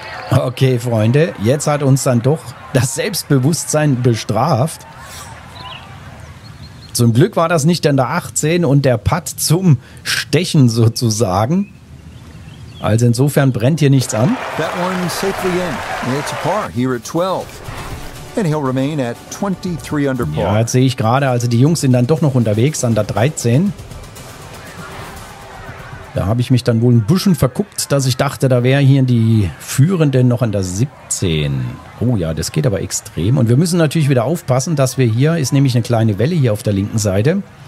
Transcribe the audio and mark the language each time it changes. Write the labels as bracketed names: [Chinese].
[German] Okay, Freunde, jetzt hat uns dann doch das Selbstbewusstsein bestraft. Zum Glück war das nicht dann der 18 und der Putt zum Stechen sozusagen. Also insofern brennt hier nichts an. [English] That one safely in. It's a par here at 12. And he'll remain at 23 under par. [German] Ja, jetzt sehe ich gerade, also die Jungs sind dann doch noch unterwegs an der 13. Da habe ich mich dann wohl ein bisschen verguckt, dass ich dachte, da wäre hier die Führenden noch an der 17. Oh ja, das geht aber extrem. Und wir müssen natürlich wieder aufpassen, dass wir hier, ist nämlich eine kleine Welle hier auf der linken Seite.